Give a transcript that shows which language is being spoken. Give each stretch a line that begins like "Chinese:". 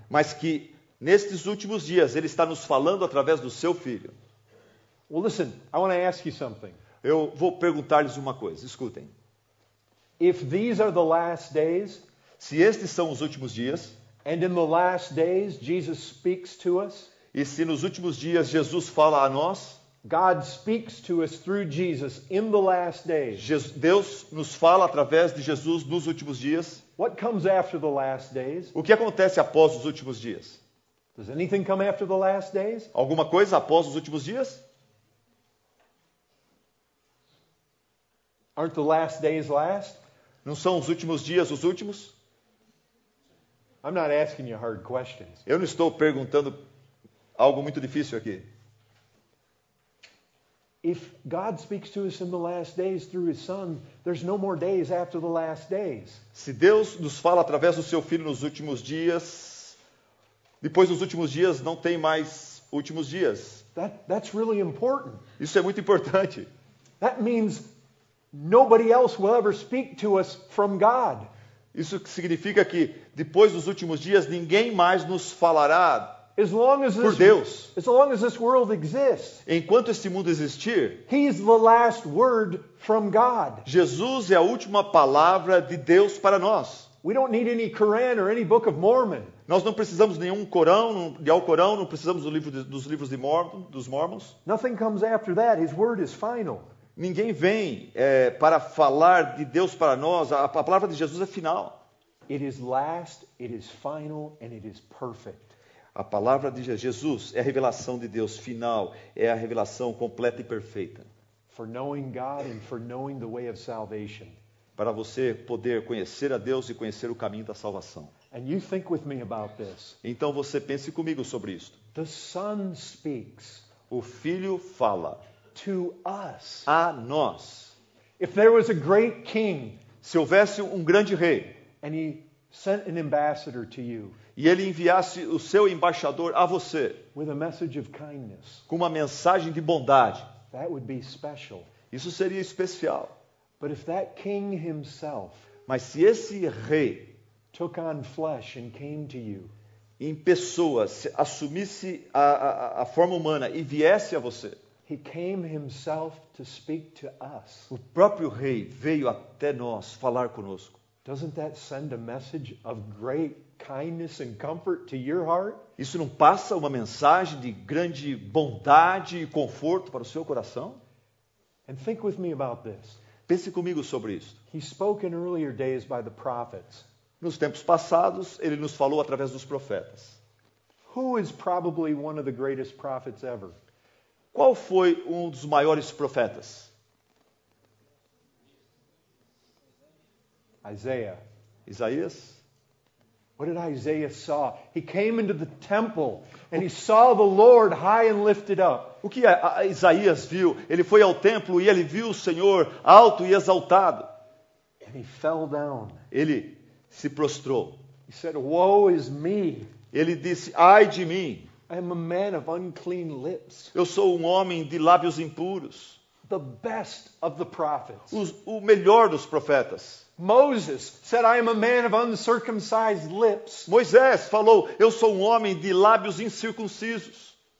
Portuguese: Mas que nestes últimos dias ele está nos falando através do seu filho.
English: Well, listen, I want to ask you something.
Portuguese: Eu vou perguntar-lhes uma coisa, escutem.
English: If these are the last days,
Portuguese: se estes são os últimos dias,
English: and in the last days Jesus speaks to us,
Portuguese: e se nos últimos dias Jesus fala a nós,
English: God speaks to us through Jesus in the last days.
Portuguese: Deus nos fala através de Jesus nos últimos dias.
English: What comes after the last days?
Portuguese: O que acontece após os últimos dias?
English: Does anything come after the last days?
Portuguese: Alguma coisa após os últimos dias?
English: Aren't the last days last?
Portuguese: Não são os últimos dias os últimos?
English: I'm not asking you hard questions.
Portuguese: Eu não estou perguntando algo muito difícil aqui.
English: If God speaks to us in the last days through his son, there's no more days after the last days.
Portuguese: Se Deus nos fala através do seu filho nos últimos dias, depois dos últimos dias não tem mais últimos dias.
English: That's really important.
Portuguese: Isso é muito importante.
English: That means nobody else will ever speak to us from God.
Portuguese: Isso significa que depois dos últimos dias ninguém mais nos falará.
English: As long as
Portuguese: por Deus.
English: As long as this world exists.
Portuguese: Enquanto este mundo existir.
English: He is the last word from God.
Portuguese: Jesus é a última palavra de Deus para nós.
English: We don't need any Quran or any Book of Mormon.
Portuguese: Nós não precisamos nenhum Corão, de Alcorão, não precisamos do livro dos livros de Mormon, dos Mormons.
English: Nothing comes after that. His word is final.
Portuguese: Ninguém vem para falar de Deus para nós. A palavra de Jesus é final.
English: It is last, it is final, and it is perfect.
Portuguese: A palavra de Jesus é a revelação de Deus final, é a revelação completa e perfeita.
English: For knowing God and for knowing the way of salvation.
Portuguese: Para você poder conhecer a Deus e conhecer o caminho da salvação.
English: And you think with me about this.
Portuguese: Então você pense comigo sobre isto.
English: The Son speaks.
Portuguese: O Filho fala.
English: To us.
Portuguese: A nós.
English: If there was a great king,
Portuguese: se houvesse um grande rei,
English: and he sent an ambassador to you,
Portuguese: e ele enviasse o seu embaixador a você,
English: with a message of kindness,
Portuguese: com uma mensagem de bondade,
English: that would be special.
Portuguese: Isso seria especial.
English: But if that king himself,
Portuguese: mas se esse rei,
English: took on flesh and came to you,
Portuguese: em pessoa, se assumisse a forma humana e viesse a você,
English: he came himself to speak to us.
Portuguese: O próprio rei veio até nós falar conosco.
English: Doesn't that send a message of great kindness and comfort to your heart?
Portuguese: Isso não passa uma mensagem de grande bondade e conforto para o seu coração?
English: And think with me about this.
Portuguese: Pense comigo sobre isto.
English: He spoke in earlier days by the prophets.
Portuguese: Nos tempos passados, ele nos falou através dos profetas.
English: Who is probably one of the greatest prophets ever?
Portuguese: Qual foi um dos maiores profetas?
English: Isaiah.
Portuguese: Isaías.
English: What did Isaiah saw? He came into the temple and he saw the Lord high and lifted up.
Portuguese: O que Isaías viu? Ele foi ao templo e ele viu o Senhor alto e exaltado.
English: And he fell down.
Portuguese: Ele se prostrou.
English: He said, "Woe is me."
Portuguese: Ele disse, ai de mim.
English: I am a man of unclean lips.
Portuguese: Eu sou um homem de lábios impuros.
English: The best of the prophets.
Portuguese: O melhor dos profetas.
English: Moses said, "I am a man of uncircumcised lips."
Portuguese: Moisés falou, "Eu sou um homem de lábios incircuncisos."